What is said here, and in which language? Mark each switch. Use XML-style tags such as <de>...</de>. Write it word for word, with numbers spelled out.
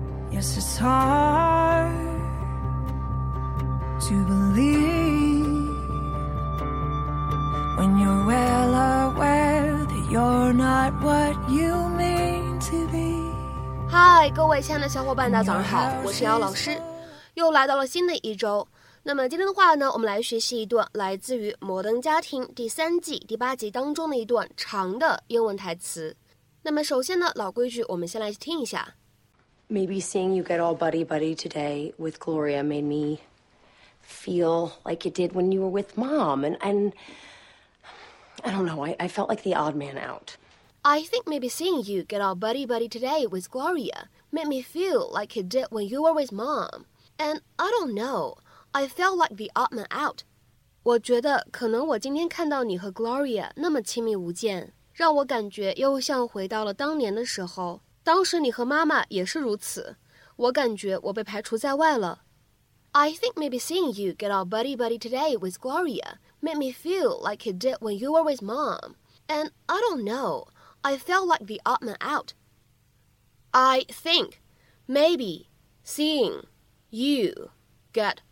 <en>Yes, it's hard to believe when you're well aware that you're not what you mean to be.</en> <zh>嗨，各位亲爱的小伙伴，大家早上好，我是姚老师，又来到了新的一周。那么今天的话呢，我们来学习一段来自于《摩登家庭》第三季第八集当中的一段长的英文台词。那么首先呢，老规矩，我们先来听一下。</zh> <en>Maybe seeing you get all buddy buddy today with Gloria made me feel like it did when you were with Mom, and and I don't know, I, I felt like the odd man out. I think maybe seeing you get all buddy buddy today with Gloria made me feel like it did when you were with Mom, and I don't know. I felt like the odd man out.</en> <zh>我觉得可能我今天看到你和 Gloria 那么亲密无间，让我感觉又像回到了当年的时候。当时你和妈妈也是如此，我感觉我被排除在外了。</zh> <en>I think maybe seeing you get all buddy buddy today with Gloria made me feel like it did when you were with Mom. And I don't know, I felt like the odd man out. I think maybe seeing you get.</en>